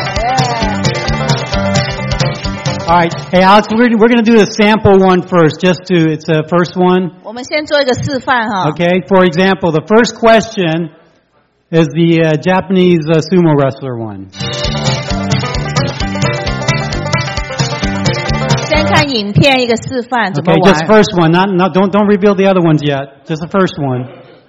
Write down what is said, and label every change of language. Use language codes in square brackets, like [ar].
[en] Yeah. All right. Hey, Alex, we're going to do the sample one first, it's the first one. [zh] 我们先做一个示范哈。 [en] Okay, for example, the first question is the Japanese sumo wrestler one. [zh] 先看影片一个示范怎么玩。 [en] Okay, just first one, don't reveal the other ones yet, just the first one.